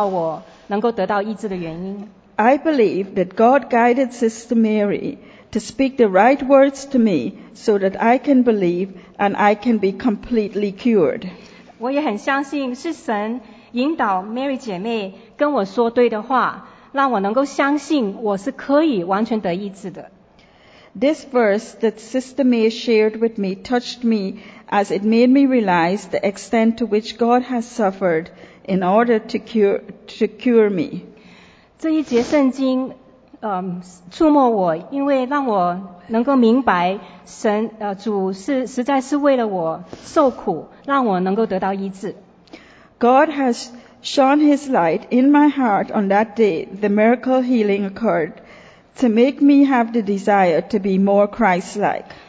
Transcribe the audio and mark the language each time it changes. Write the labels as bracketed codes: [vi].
[zh] 我很相信，我实在的相信，因为神他，因为主他为我受了鞭伤，这个是直接影响到我能够得到医治的原因。 [en] I believe that God guided Sister Mary to speak the right words to me so that I can believe and I can be completely cured. [zh] 我也很相信是神 引导Mary姐妹跟我说对的话，让我能够相信我是可以完全得医治的。 [en] This verse that Sister May shared with me touched me as it made me realize the extent to which God has suffered in order to cure me. [zh] 这一节圣经触摸我，因为让我能够明白神主实在是为了我受苦，让我能够得到医治。 [en] God has shone His light in my heart on that day the miracle healing occurred to make me have the desire to be more Christ-like.